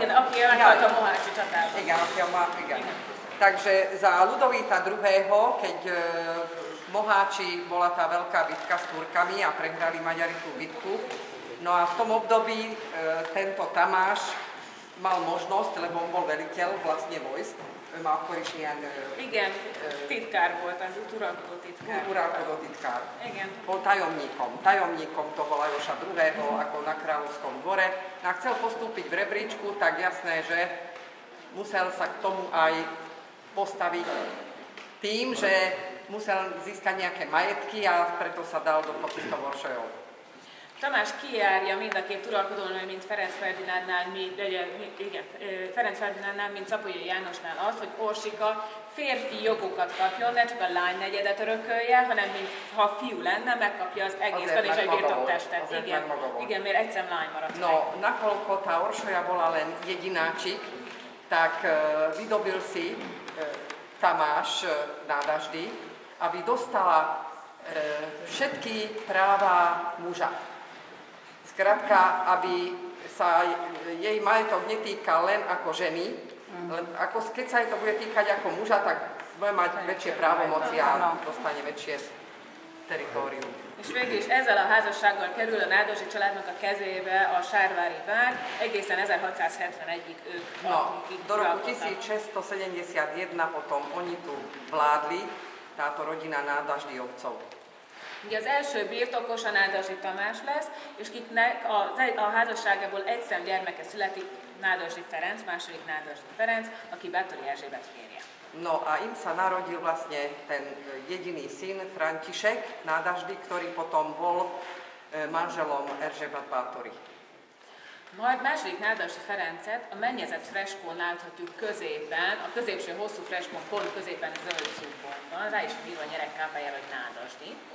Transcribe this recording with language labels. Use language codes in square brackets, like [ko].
[hu] Igen, aki a Mohácsi csatában. [sk] Takže za Ludovíta II, keď Mohácsi bola tá veľká bitka s Turkami a prehrali Maďari tú bitku, no a v tom období tento Tamáš mal možnosť, lebo on bol veliteľ vlastne vojsk, mal koriš ilyen... [hu] Igen, titkár volt, az uralkodó titkár. Uralkodó titkár. Igen. [sk] Bol tajomníkom toho Lajosa II. Ako na kráľovskom dvore. A chcel postúpiť v rebríčku, tak jasné, že musel sa k tomu aj postaviť tým, že musel získať nejaké majetky a preto sa dal do potistov Orsolyov. [hu] Tamás kijárja mind a két uralkodónál, mint Ferenc Ferdinándnál, mint Szapolyai Jánosnál azt, hogy Orsika férfi jogokat kapjon, ne csak a lány negyedet örökölje, hanem mint ha fiú lenne, megkapja az egész Kanizsai birtoktestet. Igen, mert egyszer lány maradt. [sk] No, nakoľko tá Orsolya bola len jedináčik, tak vydobil si Tamáš Nádasdy, aby dostala všetky práva muža. Krátka, aby sa jej majetok netýkal len ako ženy, ako keď sa jej to bude týkať ako muža, tak bude mať väčšie právomoci a dostane väčšie teritórium. [hu] És végül is ezzel a házassággal kerül a Nádasdy családnak a kezébe a Sárvári vár, egészen 1671-ig ők [sk] do roku 1671 potom oni tu vládli, táto rodina Nádasdyovcov. [hu] Ugye az első birtokos a Nádasdy Tamás lesz, és kiknek a házasságából egy szem gyermeke születik, Nádasdy Ferenc, második Nádasdy Ferenc, aki Báthory Erzsébet férje. [sk] No a im sa narodil vlastne ten jediný syn, František Nádasdy, ktorý potom bol manželom Erzsébet Báthory. [hu] Majd második Nádasi Ferencet a mennyezett freskón láthatjuk középen, a középső hosszú freskón pont középen zöld szupportban. Rá is írva a nyerekkápájára, hogy Nádasi.